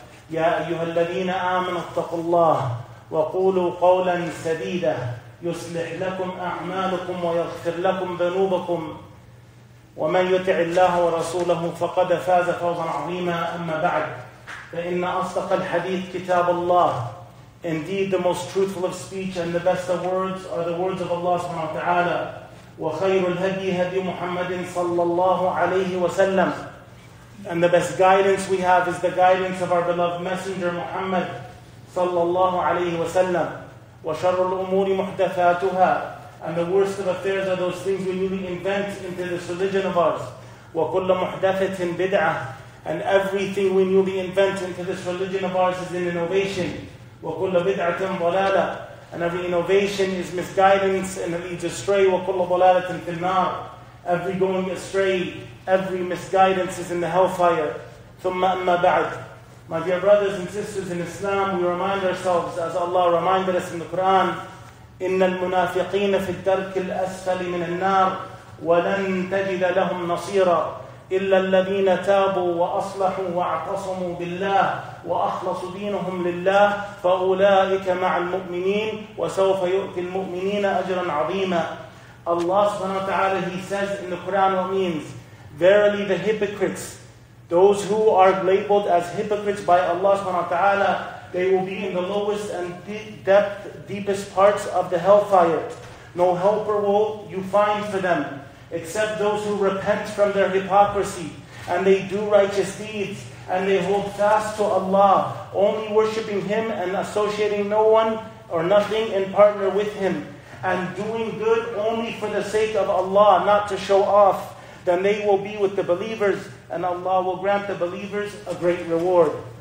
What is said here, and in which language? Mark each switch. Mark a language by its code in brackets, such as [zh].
[ar] يا أيها الذين آمنوا اتقوا الله وقولوا قولا سديدا يصلح لكم أعمالكم ويغفر لكم ذنوبكم، ومن يطع الله ورسوله فقد فاز فوزا عظيما. أما بعد، فإن أصدق الحديث كتاب الله. [en] Indeed, the most truthful of speech and the best of words are the words of Allah subhanahu wa ta'ala. [ar] وخير الهدي هدي محمد صلى الله عليه وسلم. [en] And the best guidance we have is the guidance of our beloved messenger Muhammad [ar] صلى الله عليه وسلم. وشر الأمور محدثاتها. [en] And the worst of affairs are those things we newly invent into this religion of ours. [ar] وكل محدثة بدعة. [en] And everything we newly invent into this religion of ours is an innovation. [ar] وكل بدعة ضلالة. [en] And every innovation is misguidance and it leads astray. [ar] وَكُلَّ ضَلَالَةٍ فِي النَّارِ. [en] Every going astray, every misguidance is in the hellfire. [ar] ثُمَّ أَمَّا بَعْدُ. [en] My dear brothers and sisters in Islam, we remind ourselves, as Allah reminded us in the Quran, [ar] إِنَّ الْمُنَافِقِينَ فِي الدَّرْكِ الْأَسْفَلِ مِنَ النَّارِ وَلَنْ تَجِدَ لَهُمْ نَصِيرًا إِلَّا الَّذِينَ تَابُوا وَأَصْلَحُوا وَاعْتَصَمُوا بِاللَّهِ وَأَخْلَصُوا دِينَهُمْ لِلَّهِ فَأُولَٰئِكَ مَعَ الْمُؤْمِنِينَ وَسَوْفَ يُؤْتِي الْمُؤْمِنِينَ أَجْرًا عَظِيمًا. [en] Allah subhanahu wa ta'ala, He says in the Quran what means, verily the hypocrites, those who are labeled as hypocrites by Allah subhanahu wa ta'ala, they will be in the lowest and deepest parts of the hellfire. No helper will you find for them, except those who repent from their hypocrisy and they do righteous deeds and they hold fast to Allah, only worshipping Him and associating no one or nothing in partner with Him, and doing good only for the sake of Allah, not to show off, then they will be with the believers and Allah will grant the believers a great reward.